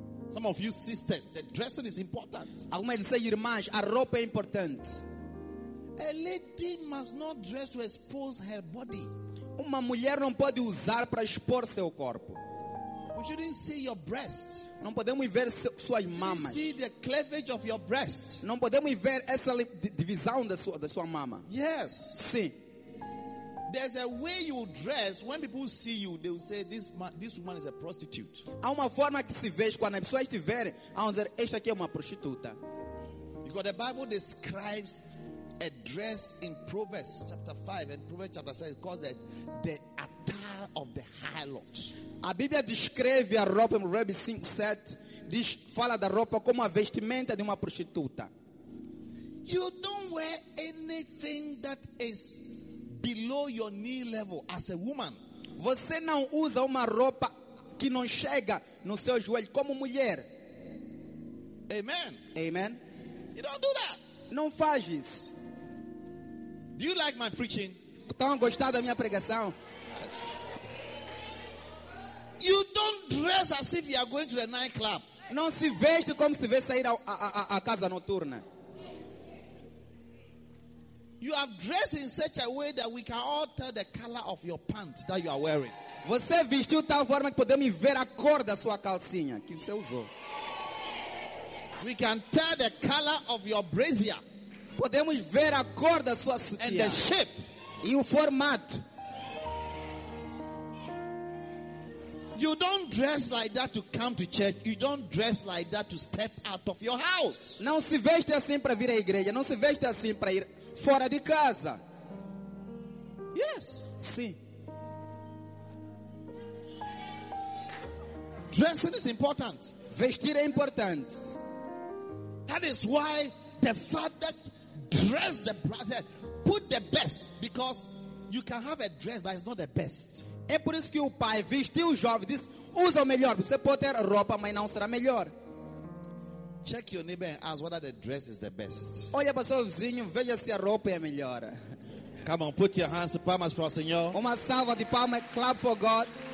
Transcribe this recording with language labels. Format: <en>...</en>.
<en>Some of you sisters, the dressing is important.</en> <pt>Algumas de vocês irmãs, a roupa é importante.</pt> <en>A lady must not dress to expose her body.</en> <pt>Uma mulher não pode usar para expor seu corpo.</pt> <en>We shouldn't see your breasts.</en> <pt>Não podemos ver suas mamas.</pt> <en>See the cleavage of your breast.</en> <pt>Não podemos ver essa divisão da sua mama.</pt> <en>Yes.</en> <pt>Sim.</pt> <en>There's a way you dress. When people see you, they will say this woman is a prostitute.</en> <pt>Há uma forma que se veste quando as pessoas te verem, vão dizer esta aqui é uma prostituta.</pt> <en>Because the Bible describes a dress in Proverbs chapter 5 and Proverbs chapter 6 calls it the attire of the harlot.</en> <pt>A Bíblia descreve a roupa em Proverbs 5, 7, diz, fala da roupa como a vestimenta de uma prostituta.</pt> <en>You don't wear anything that is below your knee level as a woman.</en> <pt>Você não usa uma roupa que não chega no seu joelho como mulher. Amen. Amen.</pt> <en>You don't do that.</en> <pt>Não faz isso.</pt> <en>Do you like my preaching?</en> <pt>Estão a gostar da minha pregação?</pt> <en>Yes. You don't dress as if you are going to the nightclub.</en> <pt>Não se veste como se tivesse sair a casa noturna.</pt> <en>You have dressed in such a way that we can alter the color of your pants that you are wearing.</en> <pt>Você vestiu tal forma que podemos ver a cor da sua calcinha que você usou.</pt> <en>We can tell the color of your brazier.</en> <pt>Podemos ver a cor da sua sutiã.</pt> <en>And the shape.</en> <pt>E o formato.</pt> <en>You don't dress like that to come to church. You don't dress like that to step out of your house.</en> <pt>Não se veste assim para vir à igreja. Não se veste assim para ir fora de casa.</pt> <en>Yes.</en> <pt>Sim.</pt> <en>Dressing is important.</en> <pt>Vestir é importante.</pt> <en>That is why the father dress the brother, put the best, because you can have a dress but it's not the best.</en> <pt>É por isso que o pai vestiu o jovem, disse, usa o melhor. Você pode ter roupa, mas não será melhor.</pt> <en>Check your neighbor and ask whether the dress is the best.</en> <pt>Olha para seu vizinho, veja se a roupa é melhor.</pt> <en>Come on, put your hands,</en> <pt>palmas para o Senhor. Uma salva de palmas,</pt> <en>clap for God.</en>